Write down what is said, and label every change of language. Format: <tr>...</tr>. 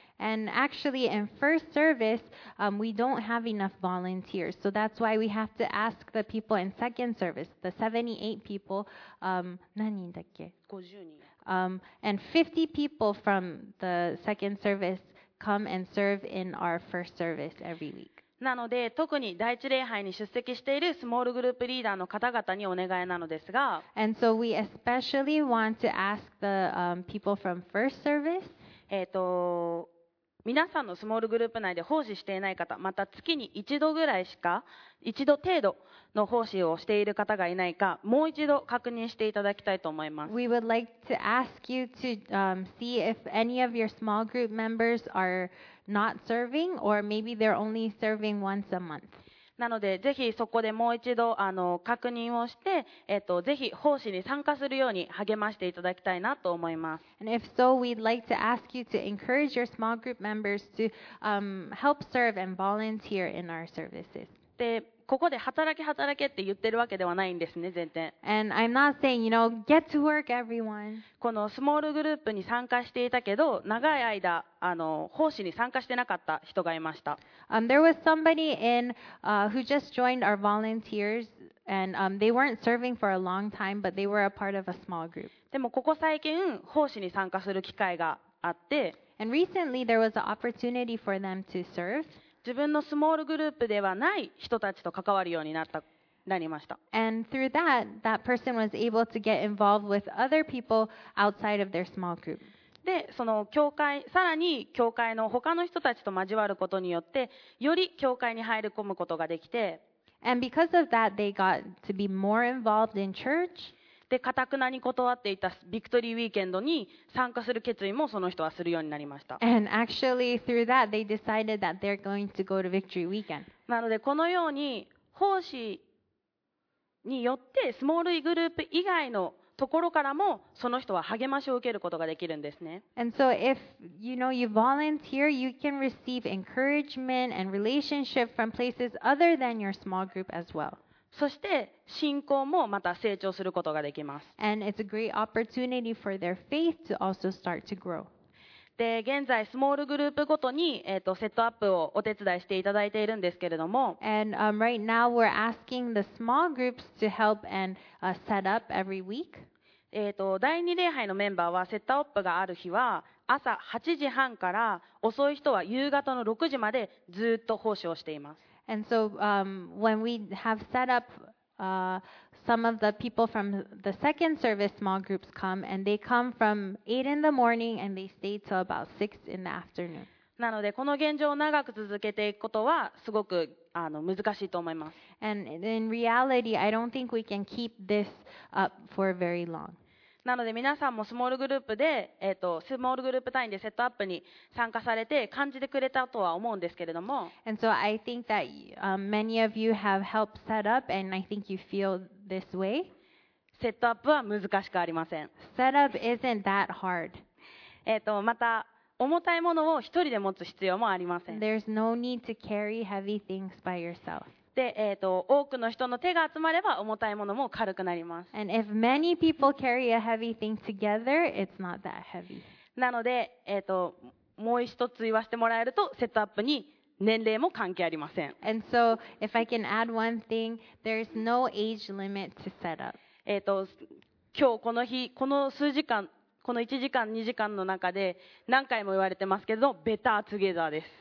<en>And actually in first service we don't have enough volunteers, so that's why we have to ask the people in second service, the 78 people</en> <ja>何人だっけ 50人</ja> <en>and 50 people from the second service come and serve in our first service every week</en> <ja>なので特に第一礼拝に出席しているスモールグループリーダーの方々にお願いなのですが、</ja> <en>And so we especially want to ask the people from first service.</en> <ja>皆さんのスモールグループ内で奉仕していない方、また月に一度ぐらいしか一度程度の奉仕をしている方がいないか、もう一度確認していただきたいと思います。</ja> <en>We would like to ask you to see if any of your small group members areNot serving, or maybe they're only serving once a month.</en> <ja>なのでぜひそこでもう一度確認をして、ぜひ奉仕に参加するように励ましていただきたいなと思います。</ja> <en>And if so, we'd like to ask you to encourage your small group members to help serve and volunteer in our services.</en> <ja>で、ここで働け働けって言ってるわけではないんですね、全然。</ja> <en>And I'm not saying, you know, get to work, everyone.</en> <ja>このスモールグループに参加していたけど、長い間奉仕に参加してなかった人がいました。</ja> <en>There was somebody in who just joined our volunteers, and they weren't serving for a long time, but they were a part of a small group.</en> <ja>でもここ最近奉仕に参加する機会があって、</ja> <en>And recently there was an opportunity for them to serve.</en> <ja>自分のスモールグループではない人たちと関わるようになった、なりました。</ja> <en>And through that, that person was able to get involved with other people outside of their small group.</en> <ja>で、その教会、さらに教会の他の人たちと交わることによって、より教会に入り込むことができて、</ja> <en>And because of that, they got to be more involved in church.</en> <ja>で、固くなに断っていたビクトリーウィーケンドに参加する決意もその人はするようになりました。</ja> <en>And actually through that they decided that they're going to go to Victory Weekend.</en> <ja>なので、このように奉仕によってスモールグループ以外のところからもその人は励ましを受けることができるんですね。</ja> <en>And so if you know you volunteer, you can receive encouragement and relationship from places other than your small group as well.</en> <ja>そして信仰もまた成長することができます。</ja> <en>And it's a great opportunity for their faith to also start to grow.</en> <ja>で、現在スモールグループごとに、セットアップをお手伝いしていただいているんですけれども、</ja> <en>And right now we're asking the small groups to help and set up every week.</en> <ja>第2礼拝のメンバーはセットアップがある日は朝8時半から遅い人は夕方の6時までずっと奉仕をしています。</ja> <en>And so, when we have set up, some of the people from the second service small groups come, and they come from 8 in the morning and they stay till about 6 in the afternoon.</en> <ja>なので、この現状を長く続けていくことはすごく難しいと思います。</ja> <en>And in reality, I don't think we can keep this up for very long.</en> <ja>なので皆さんもスモールグループで、スモールグループ単位でセットアップに参加されて感じてくれたとは思うんですけれども。</ja> <en>And so I think that many of you have helped set up and I think you feel this way.</en> <ja>セットアップは難しくありません。</ja> <en>Set up isn't that hard.</en> <ja>また重たいものを一人で持つ必要もありません。</ja> <en>There's no need to carry heavy things by yourself.</en> <ja>で、多くの人の手が集まれば重たいものも軽くなります。</ja> <en>And if many people carry a heavy thing together, it's not that heavy.</en> <ja>なので、もう一つ言わせてもらえると、セットアップに年齢も関係ありません。</ja> <en>And so, if I can add one thing, there's no age limit to set up.</en> <ja>今日この日、この数時間、この1時間、2時間の中で何回も言われてますけど、ベタートゥゲザーです。</ja>